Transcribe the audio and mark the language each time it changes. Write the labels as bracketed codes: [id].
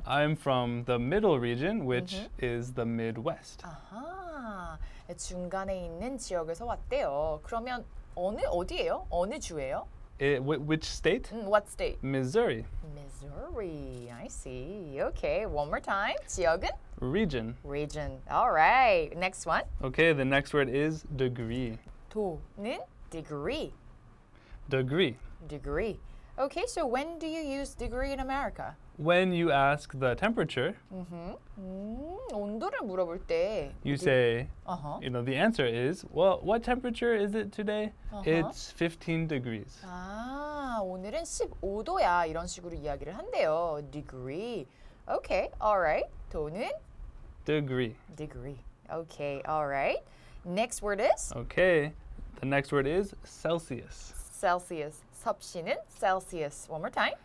[en] I'm from the middle region, which is the Midwest. [ko] 아하, 중간에 있는 지역에서 왔대요. 그러면 어디예요? 어느 주예요? [en] Which state? What state? Missouri. Missouri. I see. Okay, one more time. 지역은? Region. Region. All right. Next one. Okay, the next word is degree. [ko] 도는 degree. [en] Degree. Degree. Okay, so when do you use degree in America? When you ask the temperature. [ko] 온도를 물어볼 때. [en] You say, you know, the answer is, well, what temperature is it today? It's 15 degrees. [ko] 아, 오늘은 15도야. 이런 식으로 이야기를 한대요. [en] Degree. Okay, all right. 도는? Degree. Degree. Okay, all right. Next word is? Okay, the next word is Celsius. Celsius. 섭씨는 Celsius. One more time.